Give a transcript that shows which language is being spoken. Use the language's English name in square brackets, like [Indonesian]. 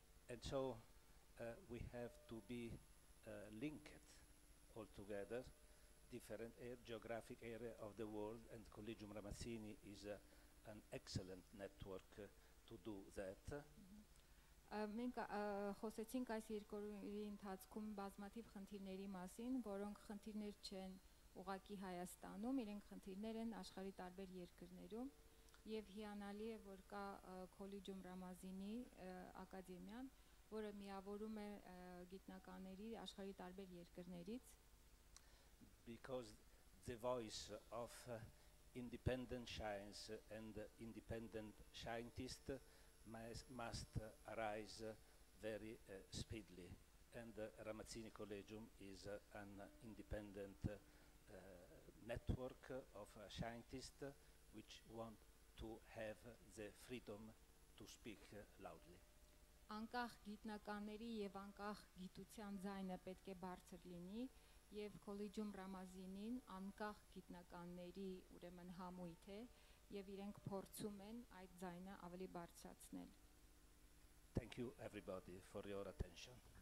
[English] and so we have to be linked all together different geographic area of the world, and Collegium Ramazzini is an excellent network to do that. [Armenian] Մենք խոսեցինք այս երկրորդի ընթացքում բազմաթիվ խնդիրների մասին, որոնք խնդիրներ չեն ուղղակի Հայաստանում, իրենք խնդիրներ են աշխարհի տարբեր երկրներում, եւ հիանալի է, որ կա Collegium Ramazzini ակադեմիան, որը միավորում է գիտնականների աշխարհի տարբեր երկրներից. [English] Because the voice of independent science and independent scientist must arise very speedily, and Ramazzini Collegium is an independent network of scientists which want to have the freedom to speak loudly. [Armenian] Անկախ գիտնականների եւ անկախ գիտության ձայնը պետք է բարձր լինի, եւ Collegium Ramazzini-ն անկախ գիտնականների ուրեմն համույթ է, եւ իրենք փորձում են այդ ձայնը ավելի բարձրացնել։ [English] Thank you everybody for your attention.